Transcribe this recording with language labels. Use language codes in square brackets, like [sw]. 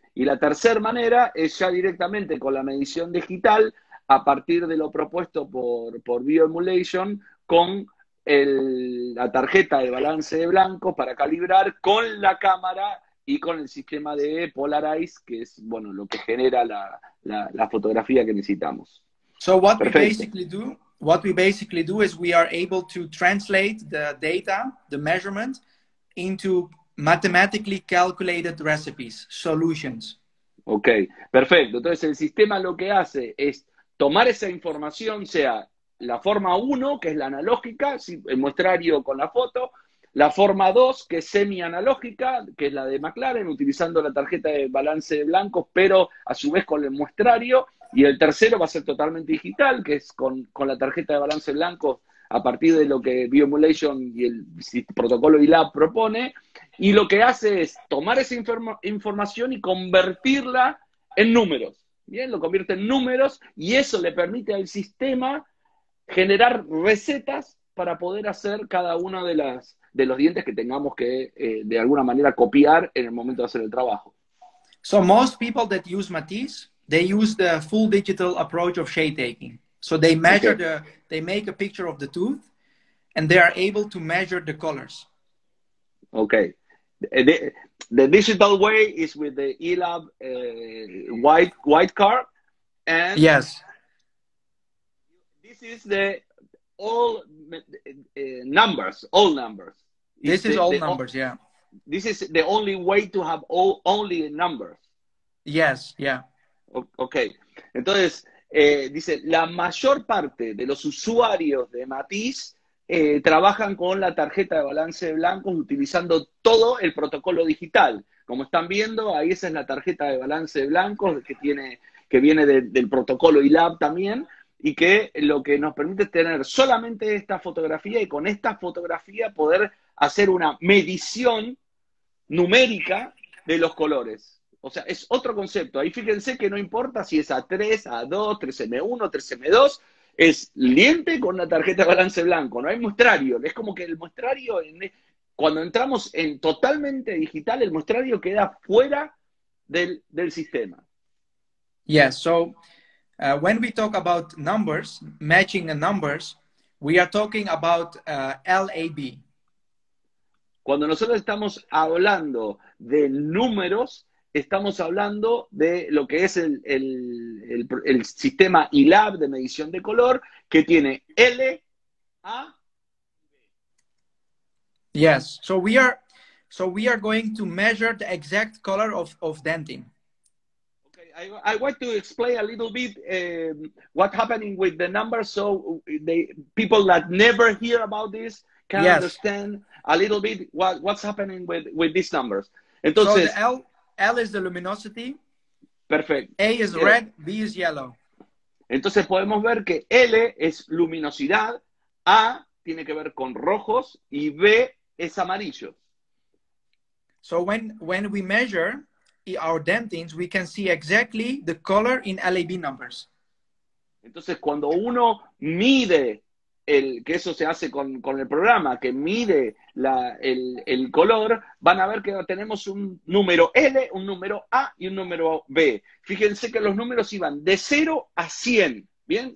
[es] Y la tercera manera es ya directamente con la medición digital a partir de lo propuesto por bioemulation con la tarjeta de balance de blanco para calibrar con la cámara y con el sistema de polarize, que es, bueno, lo que genera la fotografía que necesitamos. [en] So what [es] Perfecto. [en] we basically do is we are able to translate the data, the measurement, into mathematically calculated recipes, solutions. [es] Okay, perfecto. Entonces el sistema lo que hace es tomar esa información, sea la forma 1, que es la analógica, el muestrario con la foto, la forma 2, que es semi-analógica, que es la de McLaren, utilizando la tarjeta de balance de blancos, pero a su vez con el muestrario, y el tercero va a ser totalmente digital, que es con la tarjeta de balance de blancos, a partir de lo que Bioemulation y el protocolo ILAB propone, y lo que hace es tomar esa información y convertirla en números. Bien, lo convierte en números, y eso le permite al sistema generar recetas para poder hacer cada una de los dientes que tengamos que, de alguna manera, copiar en el momento de hacer el trabajo. [en] So most people that use Matisse, they use the full digital approach of shape taking. So they measure okay. They make a picture of the tooth, and they are able to measure the colors. Okay. The digital way is with the ELAB white card. And yes. This is the all numbers, all numbers. This is all numbers, yeah. This is the only way to have all only numbers. Yes, yeah. Okay. [es] Entonces, dice, la mayor parte de los usuarios de Matisse trabajan con la tarjeta de balance de blancos utilizando todo el protocolo digital. Como están viendo, ahí esa es la tarjeta de balance de blancos que viene del protocolo ILAB también, y que lo que nos permite es tener solamente esta fotografía y con esta fotografía poder hacer una medición numérica de los colores. O sea, es otro concepto. Ahí fíjense que no importa si es A3, A2, 3M1, 3M2, es diente con la tarjeta de balance blanco. No hay muestrario. Es como que el muestrario, cuando entramos en totalmente digital, el muestrario queda fuera del sistema. [en] Yes, so when we talk about numbers, matching the numbers, we are talking about LAB. [es] Cuando nosotros estamos hablando de números, estamos hablando de lo que es el sistema ILAB de medición de color, que tiene L, A, B. [en] Yes, so we are going to measure the exact color of dentin. Okay, I want to explain a little bit what happening with the numbers, so the people that never hear about this can yes. understand a little bit what's happening with these numbers. [es] Entonces, [en] so the L is the luminosity. Perfect. A is red, B is yellow. [es] Entonces podemos ver que L es luminosidad, A tiene que ver con rojos y B es amarillo. [en] So when we measure our dentins, we can see exactly the color in LAB numbers. [es] Entonces cuando uno mide que eso se hace con el programa, que mide el color, van a ver que tenemos un número L, un número A y un número B. Fíjense que los números iban de 0 a 100, ¿bien?